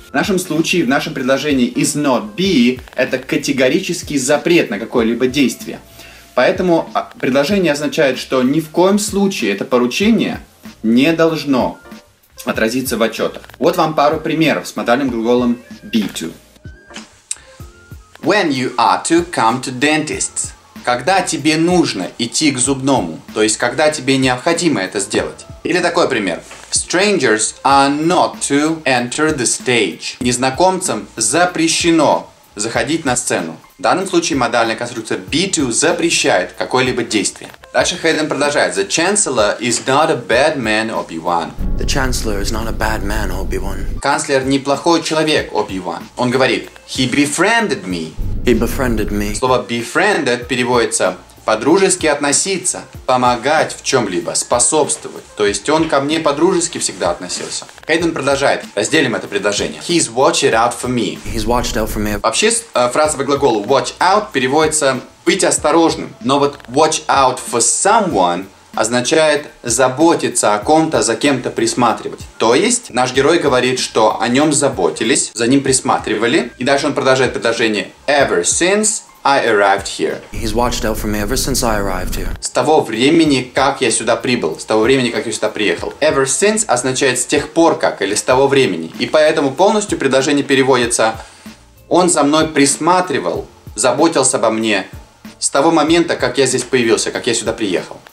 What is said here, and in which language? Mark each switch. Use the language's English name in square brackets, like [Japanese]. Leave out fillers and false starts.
[Russian] В нашем случае, в нашем предложении is not be – это категорический запрет на какое-либо действие. Поэтому предложение означает, что ни в коем случае это поручение не должно отразиться в отчетах. Вот вам пару примеров с модальным глаголом be to. [English] When you are to come to dentists. [Russian] Когда тебе нужно идти к зубному, то есть когда тебе необходимо это сделать. Или такой пример. [English] Strangers are not to enter the stage. [Russian] Незнакомцам запрещено заходить на сцену. В данном случае модальная конструкция be to запрещает какое-либо действие. Дальше Хейден продолжает. [English] The Chancellor is not a bad man, Obi-Wan. The Chancellor is not a bad man, Obi-Wan. [Russian] Канцлер неплохой человек, Obi-Wan. Он говорит, [English] he befriended me. He befriended me. [Russian] Слово befriended переводится по-дружески относиться, помогать в чем-либо, способствовать. То есть он ко мне по-дружески всегда относился. Хейден продолжает. Разделим это предложение. [English] He's watched out for me. He's watched out for me. [Russian] Вообще фраза по глаголу watch out переводится быть осторожным. Но вот watch out for someone означает заботиться о ком-то, за кем-то присматривать. То есть наш герой говорит, что о нем заботились, за ним присматривали. И дальше он продолжает предложение. [English] Ever since I arrived here. He's watched out for me ever since I arrived here. [Russian] С того времени, как я сюда прибыл, с того времени, как я сюда приехал. Ever since означает с тех пор как или с того времени. И поэтому полностью предложение переводится: он за мной присматривал, заботился обо мне с того момента, как я здесь появился, как я сюда приехал.